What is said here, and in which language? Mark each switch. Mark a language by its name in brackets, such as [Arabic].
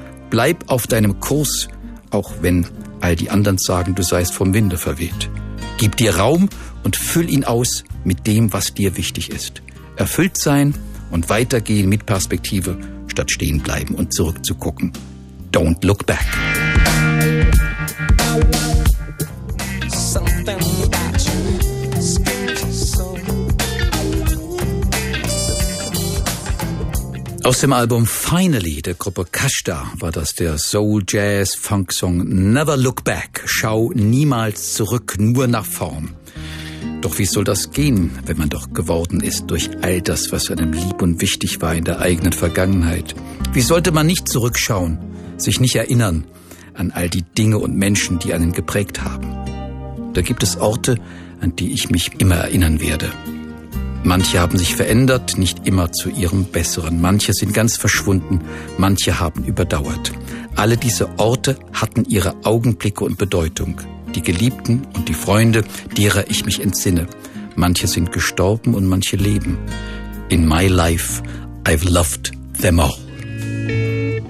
[German] Bleib auf deinem Kurs, auch wenn all die anderen sagen, du seist vom Winde verweht. Gib dir Raum und füll ihn aus mit dem, was dir wichtig ist. Erfüllt sein und weitergehen mit Perspektive, statt stehen bleiben und zurückzugucken. [English] Don't look back. Something about you scares me so. [German] Aus dem Album Finally der Gruppe Kashta war das der Soul-Jazz-Funk-Song Never Look Back. Schau niemals zurück, nur nach vorn. Doch wie soll das gehen, wenn man doch geworden ist durch all das, was einem lieb und wichtig war in der eigenen Vergangenheit? Wie sollte man nicht zurückschauen, sich nicht erinnern an all die Dinge und Menschen, die einen geprägt haben? Da gibt es Orte, an die ich mich immer erinnern werde. Manche haben sich verändert, nicht immer zu ihrem Besseren. Manche sind ganz verschwunden, manche haben überdauert. Alle diese Orte hatten ihre Augenblicke und Bedeutung. Die Geliebten und die Freunde, derer ich mich entsinne. Manche sind gestorben und manche leben. [English] In my life, I've loved them all.